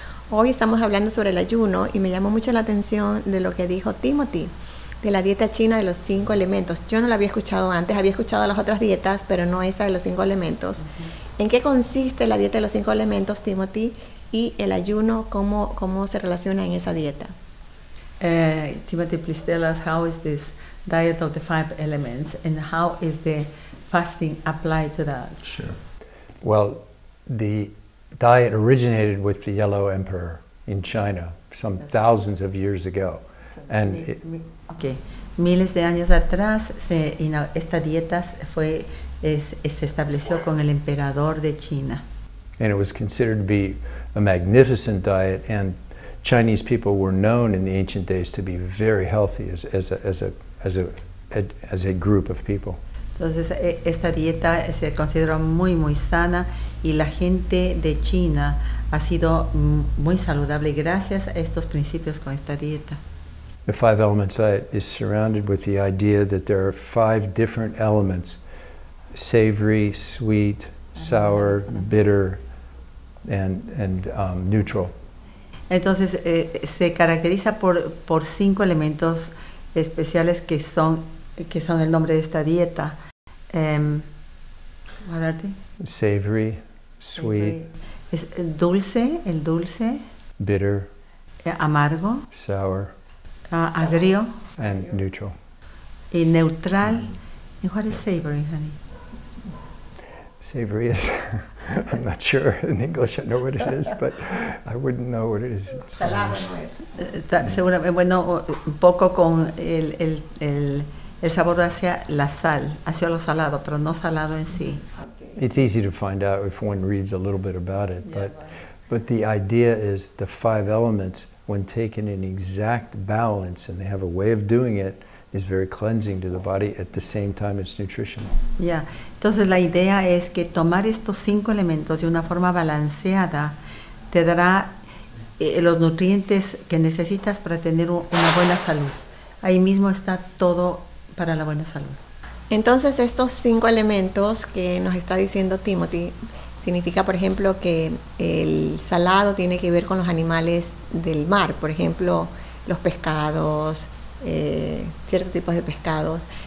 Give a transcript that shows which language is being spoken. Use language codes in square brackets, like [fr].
[es] Hoy estamos hablando sobre el ayuno y me llamó mucho la atención de lo que dijo Timothy de la dieta china de los cinco elementos. Yo no la había escuchado antes, había escuchado las otras dietas, pero no esa de los cinco elementos. ¿En qué consiste la dieta de los cinco elementos, Timothy, y el ayuno, cómo se relaciona en esa dieta? [en] Timothy, please tell us how is this diet of the five elements and how is the fasting applied to that? Sure. Well, the diet originated with the Yellow Emperor in China some thousands of years ago. And [es] Miles de años atrás, esta dieta se estableció con el emperador de China. [en] and it was considered to be a magnificent diet. And Chinese people were known in the ancient days to be very healthy as a group of people. [es] Entonces esta dieta se considera muy muy sana y la gente de China ha sido muy saludable gracias a estos principios con esta dieta. [en] The five elements diet is surrounded with the idea that there are five different elements: savory, sweet, sour, bitter, and neutral. [es] Entonces se caracteriza por cinco elementos especiales que son el nombre de esta dieta. [en] What are they? Savory, sweet. [es] Es dulce, el dulce. [en] Bitter. [es] Amargo. [en] Sour. [es] Agrio. [en] And neutral. [es] Y neutral. [en] Mm-hmm. And what is savory, honey? Savory is, I'm not sure in English, I know what it is, but I wouldn't know what it is. [es] Salado. Bueno, un poco con el sabor hacia la sal, hacia lo salado, pero no salado en sí. [en] It's easy to find out if one reads a little bit about it, but the idea is the five elements, when taken in exact balance, and they have a way of doing it, is very cleansing to the body at the same time it's nutritional. Yeah. [es] Entonces la idea es que tomar estos cinco elementos de una forma balanceada te dará los nutrientes que necesitas para tener una buena salud. Ahí mismo está todo para la buena salud. Entonces estos cinco elementos que nos está diciendo Timothy significa, por ejemplo, que el salado tiene que ver con los animales del mar, por ejemplo, los pescados, ciertos tipos de pescados.